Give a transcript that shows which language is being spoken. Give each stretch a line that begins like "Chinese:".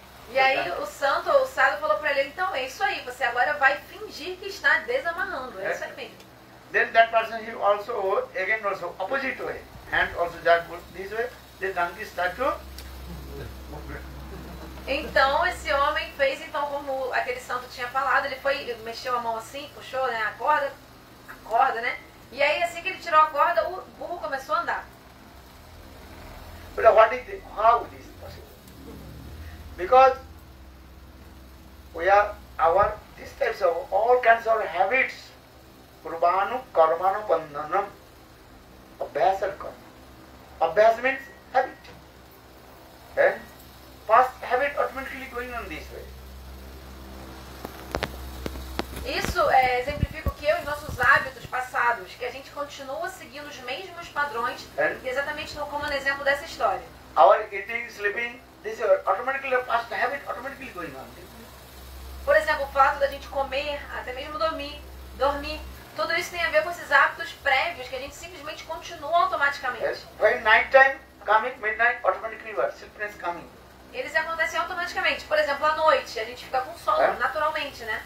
Portuguese: E aí o santo, ou o sábio, falou para ele, então é isso aí, você agora vai fingir que está desamarrando, é isso aí mesmo.
English: Then that person he also again also opposite way, hand also just put this way, the donkey start to.
Portuguese: Então esse homem fez então como aquele santo tinha falado, ele foi, ele mexeu a mão assim, puxou, né, a corda, né, e aí assim que ele tirou a corda, o burro começou a andar.
English: But what is the, how is this possible? Because we are our this types of all kinds of habits.
Sanskrit: Kurbanu, karmanu, bandhanam. Abhyasa karma.
English: Abhyasa means habit. And past habit automatically going on this way.
Portuguese: Isso exemplifica o que? Os nossos hábitos passados, que a gente continua seguindo os mesmos padrões, exatamente como no exemplo dessa história.
English: Our eating, sleeping, this is automatically a past habit automatically going on.
Portuguese: Por exemplo, o fato da gente comer, até mesmo dormir, tudo isso tem a ver com esses hábitos prévios que a gente simplesmente continua automaticamente.
English: When night time coming, midnight automatically works. Sleepiness coming.
Portuguese: Eles acontecem automaticamente. Por exemplo, à noite a gente fica com sono, naturalmente, né?